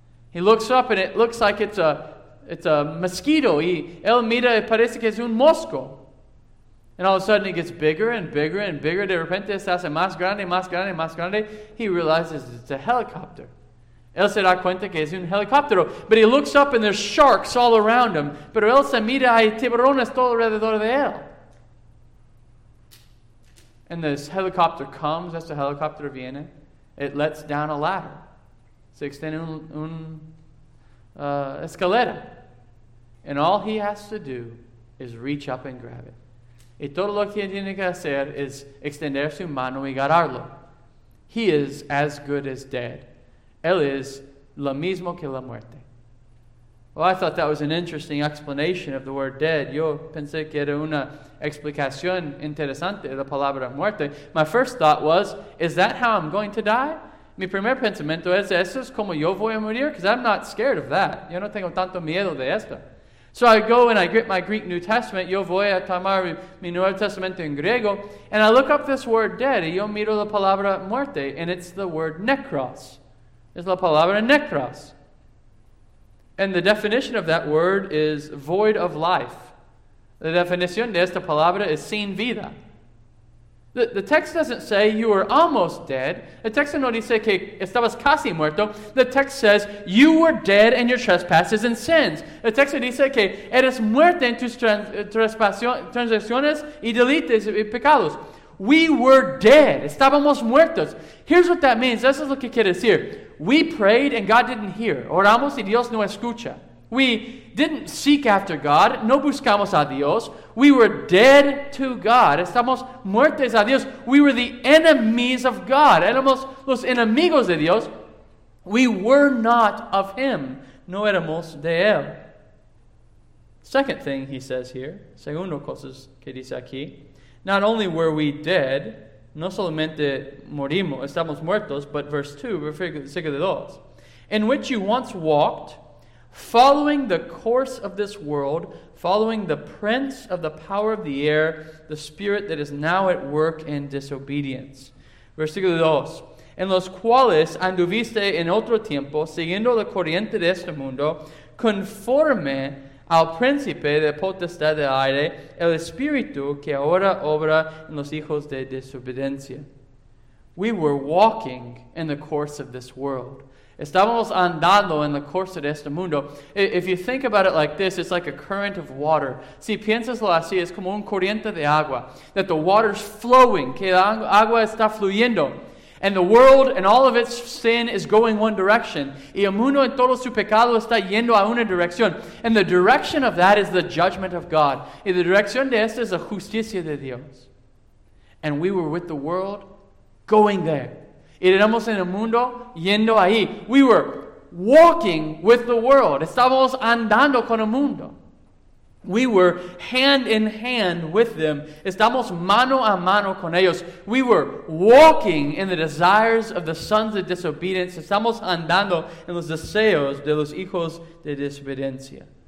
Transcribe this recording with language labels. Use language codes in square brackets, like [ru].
[en] He looks up, and it looks like it's a mosquito. [es] Y él mira, y parece que es un mosco. [en] And all of a sudden, it gets bigger and bigger and bigger. [es] De repente, se hace más grande, más grande, más grande. [en] He realizes it's a helicopter. [es] Él se da cuenta que es un helicóptero. [en] But he looks up and there's sharks all around him. [es] Pero él se mira y hay tiburones todo alrededor de él. [en] And this helicopter comes, [es] este helicóptero viene, [en] it lets down a ladder. [es] Se extiende un escalera. [en] And all he has to do is reach up and grab it. [es] Y todo lo que tiene que hacer es extender su mano y agarrarlo. [en] He is as good as dead. [es] Él es lo mismo que la muerte. [en] Well, I thought that was an interesting explanation of the word dead. [es] Yo pensé que era una explicación interesante de la palabra muerte. [en] My first thought was, is that how I'm going to die? [es] Mi primer pensamiento es, ¿eso es como yo voy a morir? [en] Because I'm not scared of that. [es] Yo no tengo tanto miedo de esto. [en] So I go and I get my Greek New Testament. [es] Yo voy a tomar mi Nuevo Testamento en griego. [en] And I look up this word dead. [es] Y yo miro la palabra muerte. [en] And it's the word necros. [es] Es la palabra necros. [en] And the definition of that word is void of life. [es] La definición de esta palabra es sin vida. [en] The text doesn't say you were almost dead. [es] The text no dice que estabas casi muerto. [en] The text says you were dead in your trespasses and sins. [es] The text dice que eres muerto en tus transgresiones y delitos y pecados. [en] We were dead. [es] Estábamos muertos. [en] Here's what that means. This is [es] lo que quiere decir. [en] We prayed and God didn't hear. [es] Oramos y Dios no escucha. [en] We didn't seek after God. [es] No buscamos a Dios. [en] We were dead to God. [es] Estamos muertos a Dios. [en] We were the enemies of God. [es] Éramos los enemigos de Dios. [en] We were not of Him. [es] No éramos de Él. [en] Second thing he says here. [es] Segundo cosas que dice aquí. [en] Not only were we dead, [es] no solamente morimos, estamos muertos, [en] but verse 2, [es] versículo 2, [en] in which you once walked, following the course of this world, following the prince of the power of the air, the spirit that is now at work in disobedience. [es] Versículo 2, en los cuales anduviste en otro tiempo, siguiendo la corriente de este mundo, conforme al príncipe de potestad del aire, el espíritu que ahora obra en los hijos de desobediencia. [en] We were walking in the course of this world. [es] Estábamos andando en la course de este mundo. [en] If you think about it like this, it's like a current of water. [es] Si piensaslo así, es como un corriente de agua. [en] That the water's flowing, [es] que la agua está fluyendo. [en] And the world and all of its sin is going one direction. [es] Y el mundo en todo su pecado está yendo a una dirección. [en] And the direction of that is the judgment of God. [es] Y la dirección de esta es la justicia de Dios. [en] And we were with the world going there. [es] Y éramos en el mundo yendo ahí. [en] We were walking with the world. [es] Estábamos andando con el mundo. [en] We were hand in hand with them. [es] Estamos mano a mano con ellos. [en] We were walking in the desires of the sons of disobedience. [es] Estamos andando en los deseos de los hijos de desobediencia.